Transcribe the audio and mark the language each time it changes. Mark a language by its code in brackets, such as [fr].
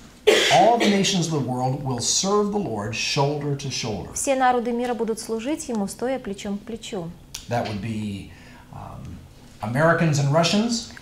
[en] All the nations of the world will serve the Lord shoulder to shoulder. [ru] Все народы мира будут служить ему, стоя плечом к плечу. [en] That would be Americans and Russians.